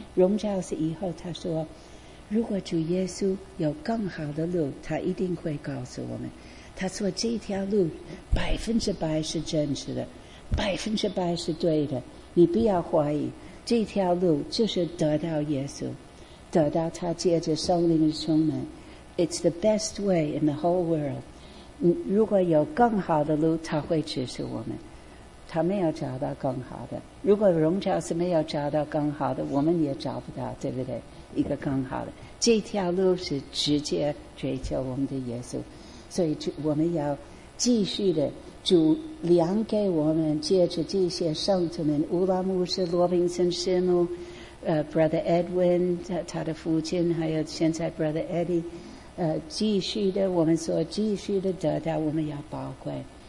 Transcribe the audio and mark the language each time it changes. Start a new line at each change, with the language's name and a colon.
Chinese: 荣教授以后他说如果主耶稣有更好的路，他一定会告诉我们。他说这条路100%是真实的，100%是对的，你不要怀疑。这条路就是得到耶稣，得到他借着圣灵的充满，
English: It's the best way in the whole world.
Chinese: 如果有更好的路，他会指示我们。他没有找到更好的。如果荣教师没有找到更好的，我们也找不到，对不对？一个更好的。这条路是直接追求我们的耶稣，所以我们要继续的主量给我们，借着这些圣徒们，乌拉牧师、罗宾森师母、Brother Edwin 他的父亲，还有现在 Brother Eddie， 继续的我们所继续的得到，我们要宝贵。